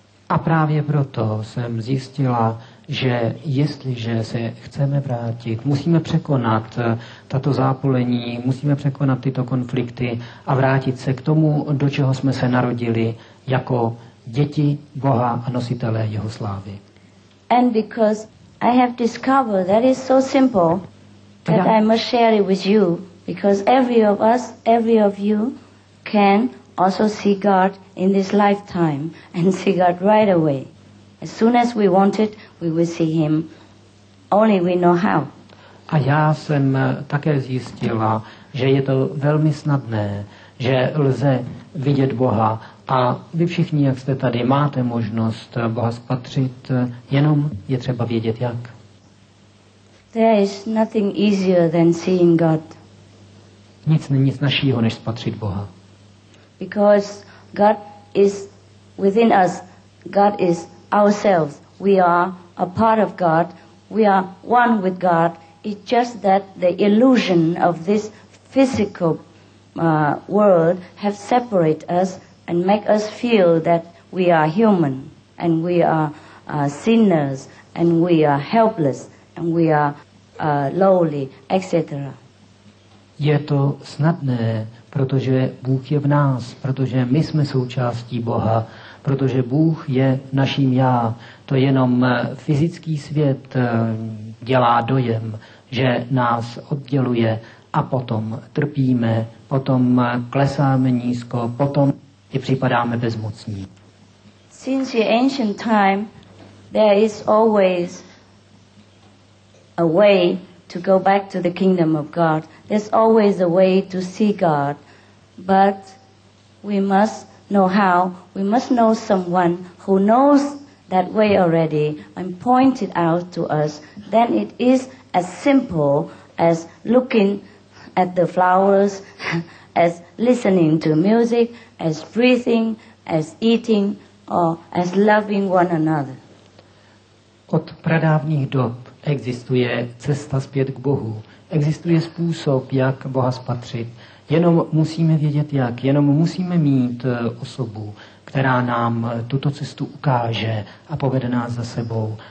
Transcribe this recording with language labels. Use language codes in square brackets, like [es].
[cs] A právě proto jsem zjistila, že jestliže se chceme vrátit, musíme překonat tato zápolení, musíme překonat tyto konflikty a vrátit se k tomu, do čeho jsme se narodili jako děti Boha a nositelé jeho slávy. [en] And because I have discovered that is so simple that I must share it with you, because every of us, every of you can also see God in this lifetime and see God right away. As soon as we want it, we will see him. Only we know how. [cs] A já jsem také zjistila, že je to velmi snadné, že lze vidět Boha. A vy všichni, jak jste tady, máte možnost Boha spatřit, jenom je třeba vědět jak. [en] There is nothing easier than seeing God. [cs] Nic není snažšího, než spatřit Boha. [en] Because God is within us. God is ourselves. We are a part of God. We are one with God. It's just that the illusion of this physical world have separated us and make us feel that we are human and we are sinners and we are helpless and we are lowly, etc. [cs] Je to snadné, protože Bůh je v nás, protože my jsme součástí Boha, protože Bůh je naším já. To jenom fyzický svět dělá dojem, že nás odděluje a potom trpíme, potom klesáme nízko, potom i připadáme bezmocní. [en] Since the ancient time, there is always a way to go back to the kingdom of God. There's always a way to see God, but we must know how. We must know someone who knows that way already and point it out to us. Then it is as simple as looking at the flowers, as listening to music, as breathing, as eating, or as loving one another. [cs] Od pradávných dob existuje cesta zpět k Bohu. Existuje způsob, jak Boha spatřit. Jenom musíme vědět jak, jenom musíme mít osobu, která nám tuto cestu ukáže a povede nás za sebou.